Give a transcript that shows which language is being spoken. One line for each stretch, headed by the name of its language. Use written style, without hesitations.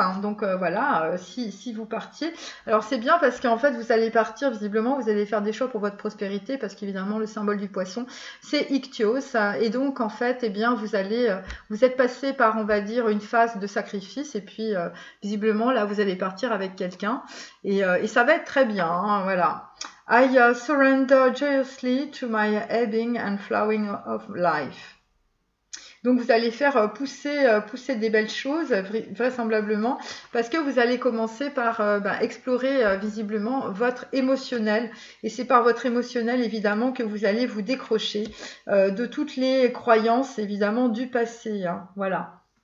French: Hein, donc voilà, si vous partiez, alors c'est bien parce qu'en fait vous allez partir visiblement, vous allez faire des choix pour votre prospérité parce qu'évidemment le symbole du poisson c'est Ictios. Et donc en fait, eh bien vous allez, vous êtes passé par, on va dire, une phase de sacrifice et puis visiblement là vous allez partir avec quelqu'un et ça va être très bien. Hein, voilà.
English: I surrender joyously to my ebbing and flowing of life.
French: Donc vous allez faire pousser des belles choses, vraisemblablement, parce que vous allez commencer par bah, explorer visiblement votre émotionnel. Et c'est par votre émotionnel, évidemment, que vous allez vous décrocher de toutes les croyances, évidemment, du passé. Hein, voilà.